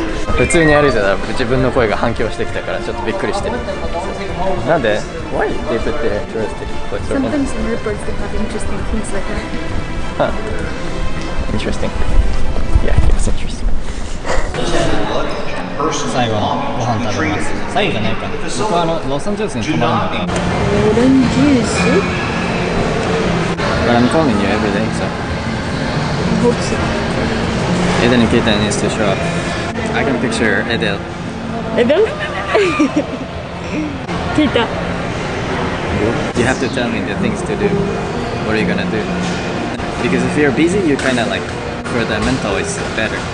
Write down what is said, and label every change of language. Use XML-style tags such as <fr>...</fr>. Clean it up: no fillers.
<ja>普通に歩いてたら自分の声が反響してきたからちょっとびっくりしてる。なんで Why?</ja> <en>They put the touristic voice over. Sometimes in reports they have interesting things like that. Huh. Interesting. Yeah, it was interesting.</en> <ja>最後のご飯食べます。最後じゃないか、僕はロサンゼルスに泊まるんだ。オレンジジュース</ja> <en>But I'm calling you every day, so I hope so. Eden and Keita needs to show up. I can picture Edel. Edel? Keita. You have to tell me the things to do. What are you gonna do? Because if you're busy, you're kind of like for the mental is better.</en>